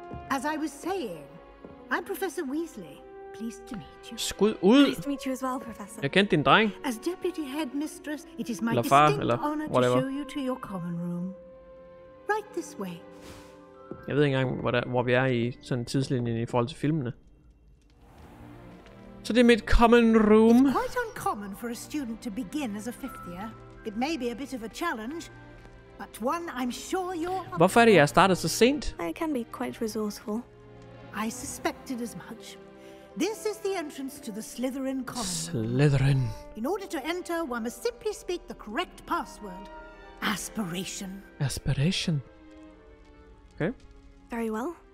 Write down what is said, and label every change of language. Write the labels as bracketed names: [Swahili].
[English] As I was saying, I'm Professor Weasley. Pleased to meet you. [Danish] Skud ud. [English] Pleased to meet you as well, Professor. [Danish] Jeg kendte din dreng. [English] As deputy headmistress, it is my distinct honor to show you to your common room. Right this way. [Danish] Jeg ved ikke engang, hvor vi er i sådan en tidslinje i forhold til filmene. Så det er mit common room. [English] It's quite uncommon for a student to begin as a fifth year. It may be a bit of a challenge. But one, I'm sure you're... [Danish] Hvorfor er det, jeg startede så sent? [English] I can be quite resourceful. I suspected as much. This is the entrance to the Slytherin common. Slytherin. In order to enter, one must simply speak the correct password. Aspiration. Aspiration. Okay. Very well.